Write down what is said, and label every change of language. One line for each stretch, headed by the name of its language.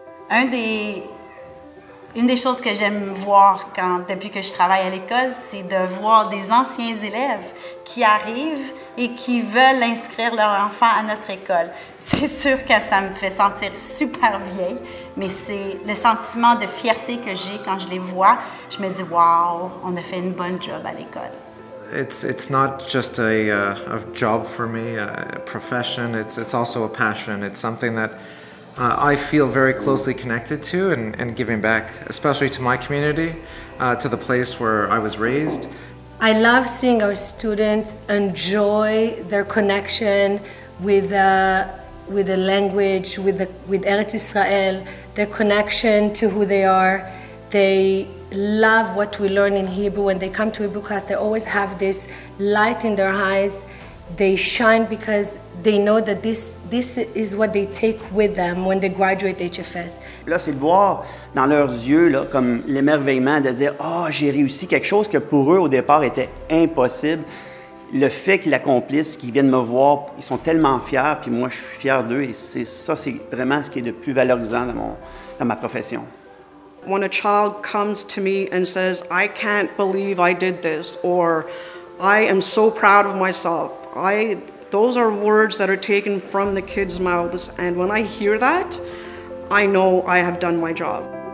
French: Une des choses que j'aime voir quand, depuis que je travaille à l'école, c'est de voir des anciens élèves qui arrivent et qui veulent inscrire leur enfant à notre école. C'est sûr que ça me fait sentir super vieille, mais c'est le sentiment de fierté que j'ai quand je les vois. Je me dis, wow, on a fait une bonne job à l'école.
English: It's not just a job for me, a profession, it's also a passion. It's something that I feel very closely connected to and giving back, especially to my community, to the place where I was raised. I love seeing our students enjoy their connection with the language, with Eretz Israel, their connection to who they are. They love what we learn in Hebrew. When they come to Hebrew class, they always have this light in their eyes. They shine because they know that this is what they take with them when they graduate HFS.
French: Là, c'est de voir dans leurs yeux là, comme l'émerveillement de dire « Ah, j'ai réussi quelque chose que pour eux, au départ, était impossible. » Le fait qu'ils l'accomplissent, qu'ils viennent me voir, ils sont tellement fiers, puis moi, je suis fier d'eux. Et c'est, ça, c'est vraiment ce qui est de plus valorisant dans ma profession.
English: When a child comes to me and says « I can't believe I did this » or « I am so proud of myself », those are words that are taken from the kids' mouths, and when I hear that, I know I have done my job.